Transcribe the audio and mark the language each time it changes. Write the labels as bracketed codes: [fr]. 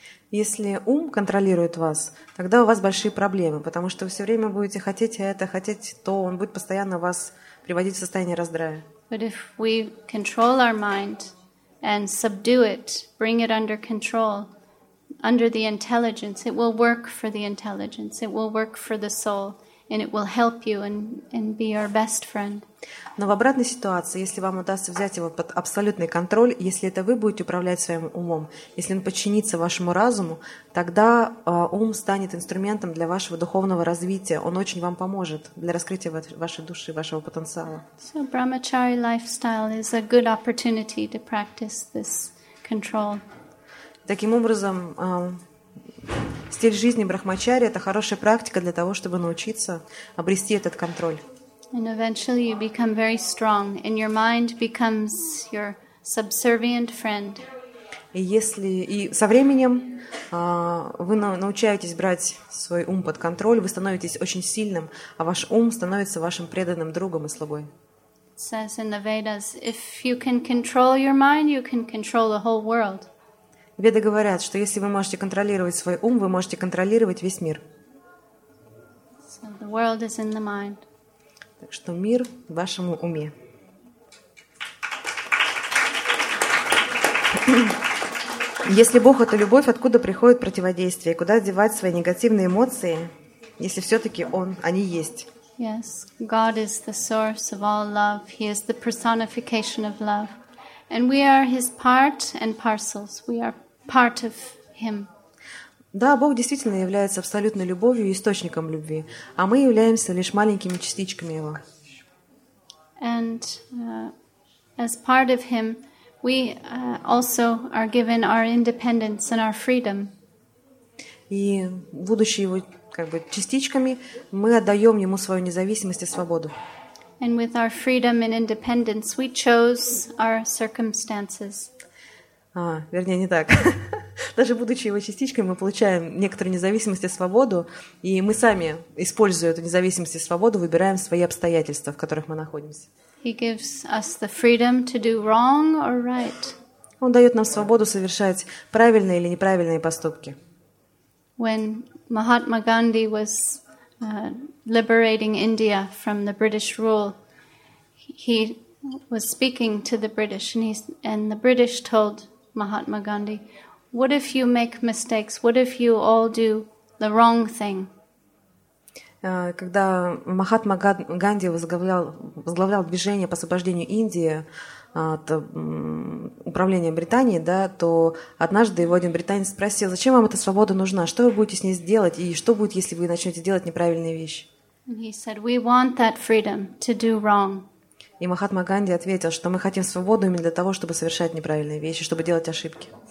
[ru] Если ум контролирует вас, тогда у вас большие проблемы, потому что вы все время будете хотеть это, хотеть то, он будет постоянно вас приводить в состояние раздрая. [en] But if we control our mind and subdue it, bring it under control, under the intelligence, it will work for the intelligence, it will work for the soul, and it will help you and be your best friend. [ru] Но в обратной ситуации, если вам удастся взять его под абсолютный контроль, если это вы будете управлять своим умом, если он подчинится вашему разуму, тогда ум станет инструментом для вашего духовного развития. Он очень вам поможет для раскрытия вашей души, вашего потенциала. [en] So brahmachari lifestyle is a good opportunity to practice this control. [ru] Таким образом, стиль жизни брахмачари — это хорошая практика для того, чтобы научиться обрести этот контроль. [en] And eventually you become very strong, and your mind becomes your subservient friend. [ru] И если и со временем вы научаетесь брать свой ум под контроль, вы становитесь очень сильным, а ваш ум становится вашим преданным другом и слугой. [en] It says in the Vedas, if you can control your mind, you can control the whole world. [ru] Веды говорят, что если вы можете контролировать свой ум, вы можете контролировать весь мир. [en] So the world is in the mind. [ru] Так что мир в вашем уме. Если Бог — это любовь, откуда приходит противодействие? Куда девать свои негативные эмоции, если все-таки Он, они есть? [en] Yes, God is the source of all love. He is the personification of love. And we are His part and parcels. We are part of Him. [ru] Да, Бог действительно является абсолютной любовью и источником любви, а мы являемся лишь маленькими частичками Его. [en] And as part of Him, we also are given our independence and our freedom. [ru] И будучи Его как бы частичками, мы отдаем Ему свою независимость и свободу. [en] And with our freedom and independence, we chose our circumstances. [ru] А, вернее, не так. Даже будучи его частичкой, мы получаем некоторую независимость и свободу, и мы сами, используя эту независимость и свободу, выбираем свои обстоятельства, в которых мы находимся. [en] He gives us the freedom to do wrong or right. [ru] Он дает нам свободу совершать правильные или неправильные поступки. [en] When Mahatma Gandhi was liberating India from the British rule, he was speaking to the British, and the British told Mahatma Gandhi, what if you make mistakes? What if you all do the wrong thing? [ru] Когда Махатма Ганди возглавлял движение по освобождению Индии от управления Британией, да, то однажды его один британец спросил, зачем вам эта свобода нужна? Что вы будете с ней сделать? И что будет, если вы начнете делать неправильные вещи? [en] And he said, we want that freedom to do wrong. [ru] И Махатма Ганди ответил, что мы хотим свободу именно для того, чтобы совершать неправильные вещи, чтобы делать ошибки.